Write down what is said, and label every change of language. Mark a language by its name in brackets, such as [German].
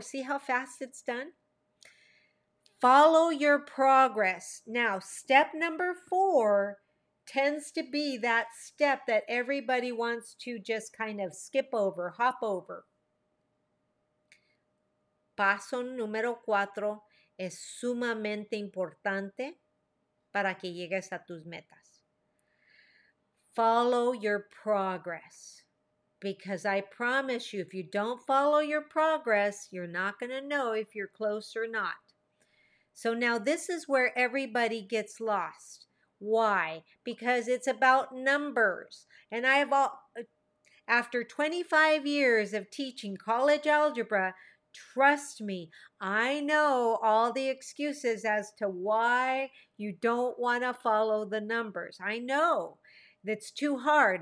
[English] See how fast it's done? Follow your progress. Now, step number four tends to be that step that everybody wants to just kind of skip over, hop over. [Spanish] Paso número cuatro es sumamente importante para que llegues a tus metas. [English] Follow your progress. Because I promise you, if you don't follow your progress, you're not going to know if you're close or not. So now this is where everybody gets lost. Why? Because it's about numbers. And I have all, after 25 years of teaching college algebra, trust me, I know all the excuses as to why you don't want to follow the numbers. I know. It's too hard.